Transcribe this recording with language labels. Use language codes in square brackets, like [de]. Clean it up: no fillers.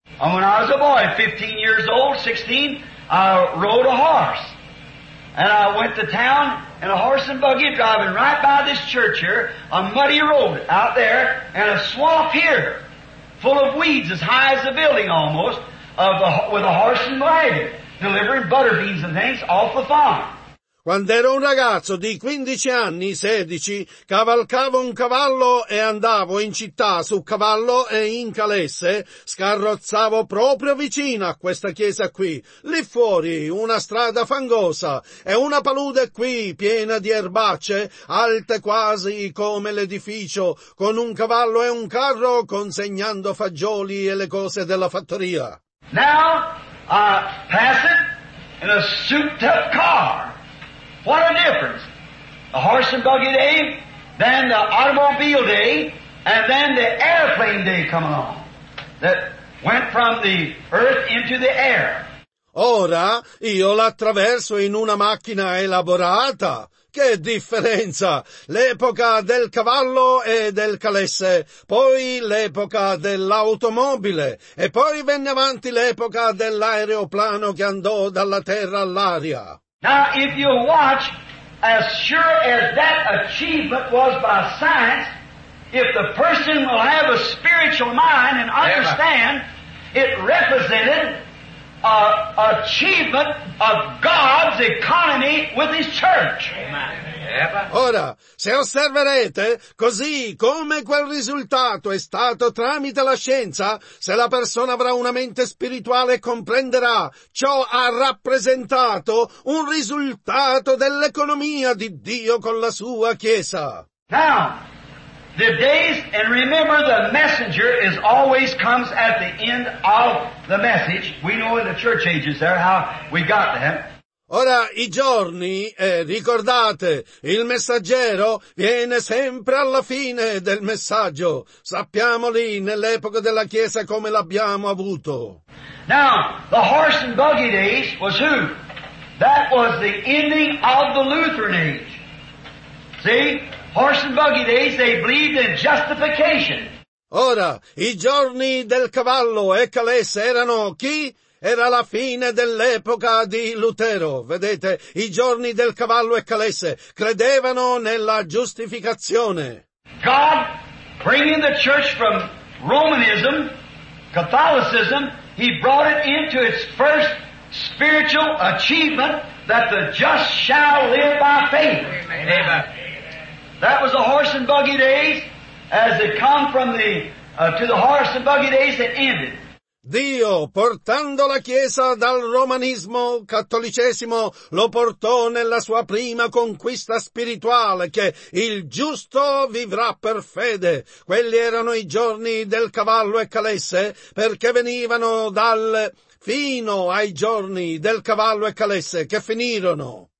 [en] And when I was a boy, 15 years old, 16, I rode a horse. And I went to town in a horse and buggy driving right by this church here, a muddy road out there, and a swamp here, full of weeds as high as the building almost, with a horse and wagon, delivering butter beans and things off the farm. [it] Quando ero un ragazzo di 15 anni, 16, cavalcavo un cavallo e andavo in città su cavallo e in calesse, scarrozzavo proprio vicino a questa chiesa qui, lì fuori una strada fangosa e una palude qui piena di erbacce, alte quasi come l'edificio, con un cavallo e un carro consegnando fagioli e le cose della fattoria. [en] Now, pass it in a souped-up car. What a difference! The horse and buggy day, then the automobile day, and then the airplane day coming on that went from the earth into the air. [it] Ora io l'attraverso in una macchina elaborata. Che differenza! L'epoca del cavallo e del calesse, poi l'epoca dell'automobile, e poi venne avanti l'epoca dell'aeroplano che andò dalla terra all'aria. [en] Now, if you watch, as sure as that achievement was by science, if the person will have a spiritual mind and understand, it represented an achievement of God's economy with His church. Amen. [it] Ora, se osserverete, così come quel risultato è stato tramite la scienza, se la persona avrà una mente spirituale comprenderà, ciò ha rappresentato un risultato dell'economia di Dio con la sua Chiesa. [en] Now, the days, and remember the messenger is always comes at the end of the message. We know in the church ages there how we got that. [it] Ora i giorni, ricordate, il messaggero viene sempre alla fine del messaggio. Sappiamo lì nell'epoca della Chiesa come l'abbiamo avuto. [en] Now, the horse and buggy days was who? That was the ending of the Lutheran age. See? Horse and buggy days, they believed in justification. [it] Ora, i giorni del cavallo e calesse erano chi? Era la fine dell'epoca di Lutero, vedete, i giorni del cavallo e calesse credevano nella giustificazione. [en] God bringing the church from Romanism, Catholicism, he brought it into its first spiritual achievement that the just shall live by faith. Amen. Amen. That was the horse and buggy days, as it come from the to the horse and buggy days that ended. [it] Dio, portando la Chiesa dal romanismo cattolicesimo, lo portò nella sua prima conquista spirituale, che il giusto vivrà per fede. Quelli erano i giorni del cavallo e calesse, perché venivano dal fino ai giorni del cavallo e calesse, che finirono.